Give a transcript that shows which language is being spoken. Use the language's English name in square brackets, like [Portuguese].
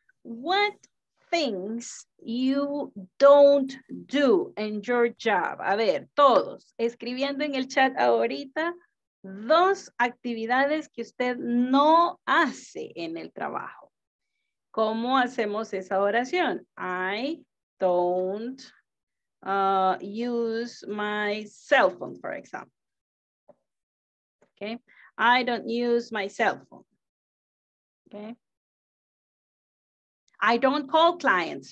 [English] What things you don't do in your job? [Spanish] A ver, todos escribiendo en el chat ahorita dos actividades que usted no hace en el trabajo. ¿Cómo hacemos esa oración? [English] I don't use my cell phone, for example. Okay. I don't use my cell phone. Okay. I don't call clients.